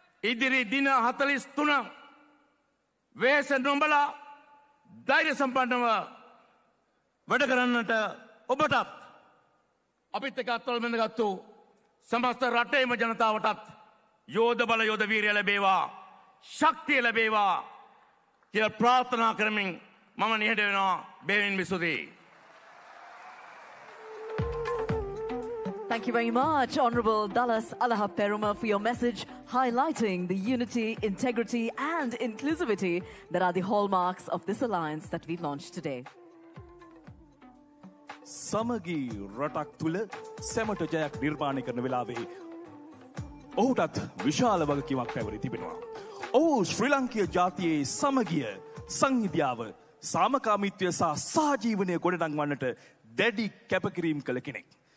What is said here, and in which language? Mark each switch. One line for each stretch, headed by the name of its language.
Sinhala: ඉදිරි දින 43 වේස නොඹලා ධෛර්ය සම්පන්නව වැඩ කරන්නට ඔබටත් අපිත් එක්ක අත්වල බැඳගත්තු සමස්ත රටේම ජනතාවටත් යෝධ බල යෝධ වීරිය ලැබේවා, ශක්තිය ලැබේවා කියලා ප්‍රාර්ථනා කරමින් මම නිහඬ වෙනවා. බේවින් විසුති.
English: Thank you very much, Honorable Dallas Alahapperuma, for your message highlighting the unity, integrity and inclusivity that are the hallmarks of this alliance that we've launched today.
Sinhala: සමගි රටක් තුල සැමට ජයක් නිර්මාණය කරන වෙලාවේ ඔහුටත් විශාල වගකීමක් පැවරි තිබෙනවා. ඔහු ශ්‍රී ලංකීය ජාතියේ සමගිය සංහිඳියාව සාමකාමීත්වය සහ සහජීවනය ගොඩනංවන්නට දැඩි කැපකිරීම කළ කෙනෙක්.